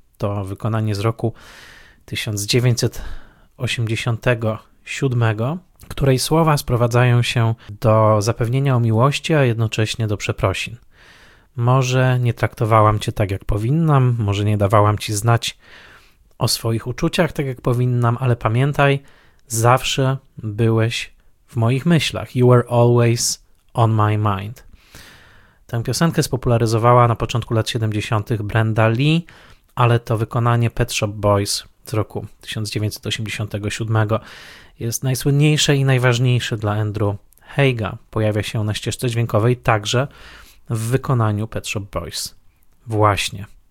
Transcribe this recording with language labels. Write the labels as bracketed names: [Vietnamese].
[Polish] To wykonanie z roku 1987, której słowa sprowadzają się do zapewnienia o miłości, a jednocześnie do przeprosin. Może nie traktowałam cię tak, jak powinnam, może nie dawałam ci znać o swoich uczuciach tak, jak powinnam, ale pamiętaj, zawsze byłeś w moich myślach. [English] You were always on my mind. [Polish] Tę piosenkę spopularyzowała na początku lat 70. Brenda Lee, ale to wykonanie Pet Shop Boys z roku 1987 jest najsłynniejsze i najważniejsze dla Andrew Haiga. Pojawia się na ścieżce dźwiękowej także w wykonaniu Pet Shop Boys. Właśnie.